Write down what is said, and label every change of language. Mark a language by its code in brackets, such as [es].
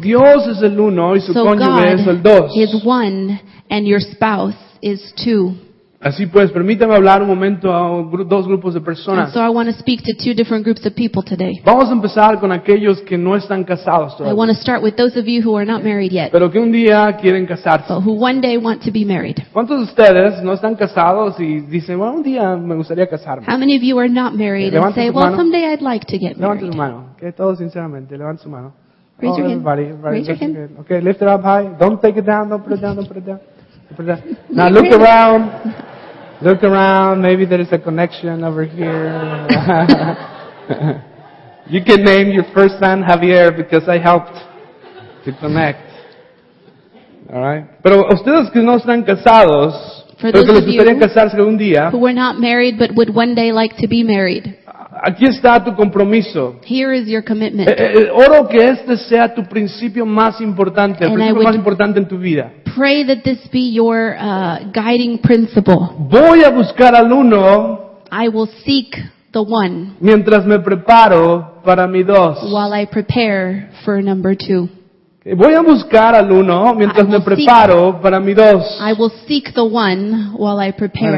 [es] So Dios es el uno y su cónyuge es el dos. [en] So God is one and your spouse is two. [es] Así pues, permítame hablar un momento a dos grupos de personas. [en] And so I want to speak to two different groups of people today. [es] Vamos a empezar con aquellos que no están casados todavía. [en] I want to start with those of you who are not married yet. [es] Pero que un día quieren casarse. [en] But who one day want to be married. [es] ¿Cuántos de ustedes no están casados y dicen, bueno, un día me gustaría casarme? [en] How many of you are not married and say, well, someday I'd like to get [es] married? Levanten su mano. Que todos sinceramente, levanten su mano. [en] Raise your hand. Okay, lift it up high. Don't take it down. Don't put it down. Now look around. Look around, maybe there is a connection over here. You can name your first son Javier because I helped to connect. All right? [es] Pero ustedes que no están casados, pero que les gustaría casarse algún día, [en] who were not married but would one day like to be married. [es] Aquí está tu compromiso. [en] Here is your commitment. [es] Oro que este sea tu principio más importante, el principio más importante en tu vida. [en] Pray that this be your guiding principle. [es] Voy a buscar al uno. [en] I will seek the one. [es] Mientras me preparo para mi dos. [en] While I prepare for number two. [es] Voy a buscar al uno mientras me preparo para mi dos. [en] I will seek the one while I prepare.